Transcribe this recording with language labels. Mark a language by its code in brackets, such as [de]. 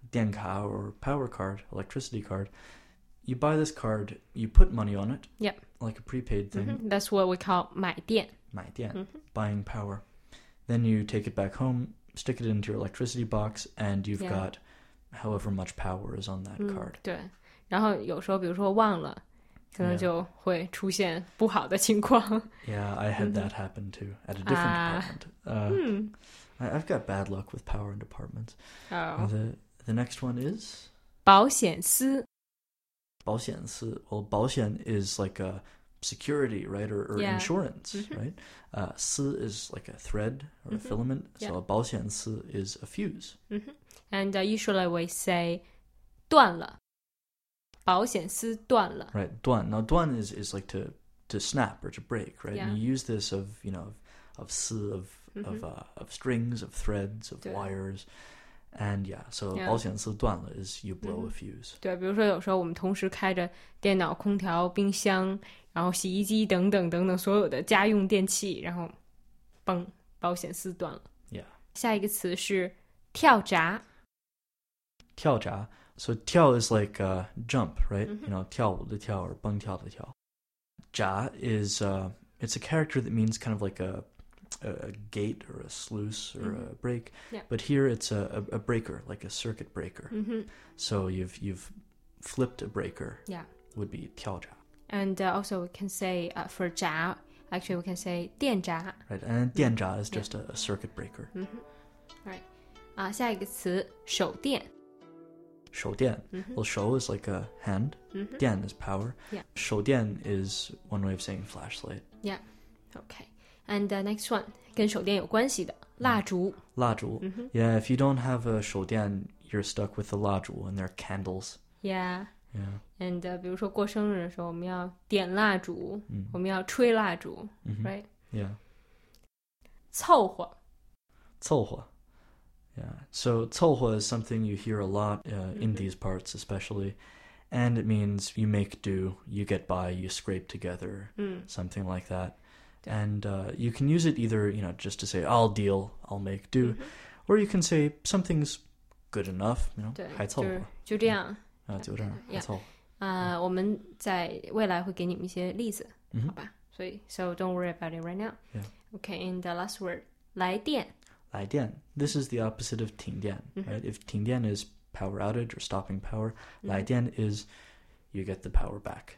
[en] 电卡 or power card, electricity card. You buy this card, you put money on it. Yep. Like a prepaid thing. That's what we call 买电。买电。Buying power. Then you take it back home, stick it into your electricity box, and you've got however much power is on that card. [zh] 对。然后有时候比如说忘了。可能就会出现不好的情况。 [en] Yeah, I had that happen too, at a different department. I've got bad luck with power in departments. The next one is? [zh] 保险丝。保险丝。 [en] Well, 保险 is like a security, right? Or insurance, right? 丝 is like a thread or a filament. So 保险丝 is a fuse. And usually we say 断了。 [zh] 保险丝断了。 [en] Right, 断。 Now, 断 is like to snap or to break, right? And you use this of, you know, of 丝, of strings, of threads, of wires. And yeah, so [zh] 保险丝断了 [en] is you blow a fuse. [zh] 对，比如说有时候我们同时开着电脑、空调、冰箱，然后洗衣机等等等等所有的家用电器，然后嘣，保险丝断了。 [en] Yeah. [zh] 下一个词是跳闸。 [en] 跳闸。So, 跳 is like jump, right? You know, [zh] 跳舞的跳 [en] or [zh] 蹦跳的跳。 [en] 闸 is, it's a character that means kind of like a gate or a sluice or a break. Yeah. But here it's a breaker, like a circuit breaker. So, you've flipped a breaker. Yeah. Would be 跳闸。 And also we can say, for 闸, actually we can say 电闸。 Right, and 电闸is just a circuit breaker. [zh] Right. 下一个词,手电。 [en] 手电。Well, 手 is like a hand. 电 is power. Yeah. 手电 is one way of saying flashlight. Yeah. Okay. And the next one, 跟手电有关系的,蜡烛。 [zh] 蜡烛。 [en] Yeah, if you don't have a 手电, you're stuck with the 蜡烛 and there are candles. Yeah. Yeah. [zh] And 比如说过生日的时候,我们要点蜡烛,我们要吹蜡烛,right? [en] Yeah. [zh] 凑合。凑合。 [en] Yeah, so 凑合 is something you hear a lot in these parts especially, and it means you make do, you get by, you scrape together, something like that. And you can use it either, you know, just to say, I'll deal, I'll make do, or you can say something's good enough, you know, [zh] 还凑合。就这样。就这样,还凑合。我们在未来会给你们一些例子,好吧? [en] So don't worry about it right now. Yeah. Okay, and the last word, 来电。 [zh] 来电. [en] This is the opposite of 停电, right? If 停电 is power outage or stopping power, 来电 is you get the power back.